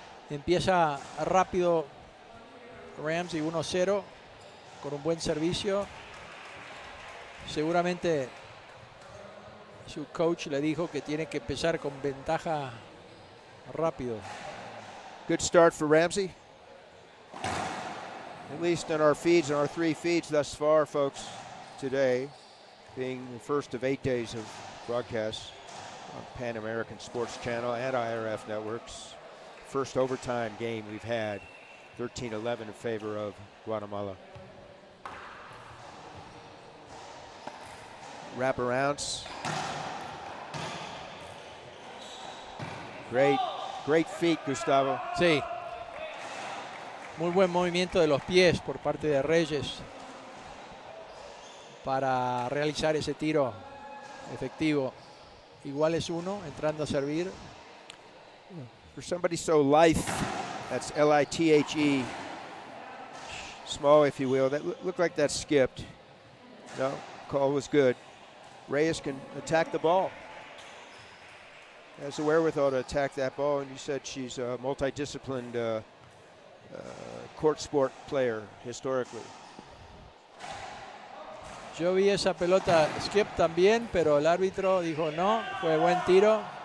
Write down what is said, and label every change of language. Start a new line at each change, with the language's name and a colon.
Spanish: Empieza rápido Ramsay 1-0 con un buen servicio. Seguramente su coach le dijo que tiene que empezar con ventaja rápido.
English: Good start for Ramsay. At least in our feeds, in our three feeds thus far, folks, today, being the first of 8 days of broadcast on Pan American Sports Channel and IRF Networks. First overtime game we've had, 13-11 in favor of Guatemala. Wraparounds. Great, great feet, Gustavo.
Spanish: Sí. Muy buen movimiento de los pies por parte de Reyes para realizar ese tiro efectivo. Igual es uno, entrando a servir.
English: For somebody so lithe, that's L-I-T-H-E, small, if you will, that looked like that skipped. No, call was good. Reyes can attack the ball. Has the wherewithal to attack that ball, and you said she's a multidisciplined court sport player historically.
Spanish: Yo vi esa pelota skip también, pero el árbitro dijo no, fue buen tiro.